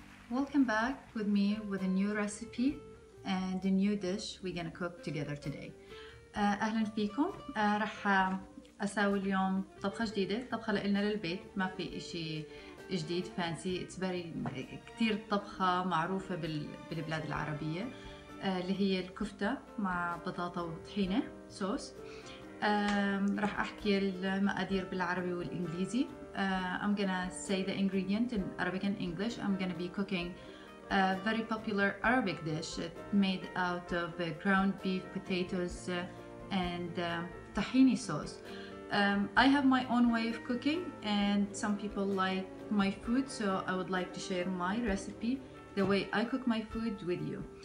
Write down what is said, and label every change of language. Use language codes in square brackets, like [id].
[en] Welcome back with me with a new recipe and a new dish we're gonna cook together today. [ar] اهلا فيكم. رح اسوي اليوم طبخه جديده, طبخه لنا للبيت. ما في شيء جديد فانسي, [en] it's very [ar] كثير طبخه معروفه بالبلاد العربيه اللي هي الكفته مع بطاطا وطحينه صوص. رح احكي المقادير بالعربي والانجليزي. [en] I'm gonna say the ingredient in Arabic and English. I'm gonna be cooking a very popular Arabic dish. It's made out of ground beef, potatoes, and tahini sauce. I have my own way of cooking, and some people like my food, so I would like to share my recipe, the way I cook my food, with you.